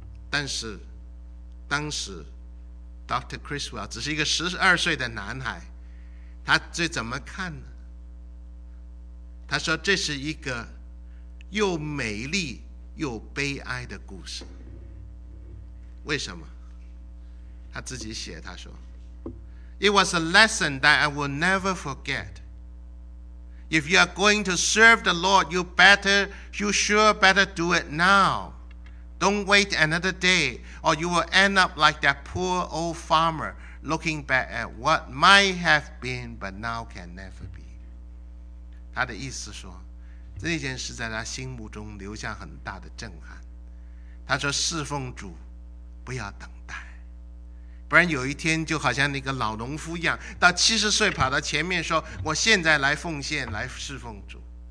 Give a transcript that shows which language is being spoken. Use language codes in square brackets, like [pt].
[zh] 但是当时 Dr. Criswell 只是一个12岁的男孩，他最怎么看呢？他说，这是一个又美丽又悲哀的故事。为什么？他自己写，他说 [en] It was a lesson that I will never forget. If you are going to serve the Lord, you sure better do it now. Don't wait another day, or you will end up like that poor old farmer looking back at what might have been, but now can never be. [zh] 他的意思说，这件事在他心目中留下很大的震撼。他说，侍奉主不要等待，不然有一天就好像那个老农夫一样，到70岁跑到前面说，我现在来奉献，来侍奉主。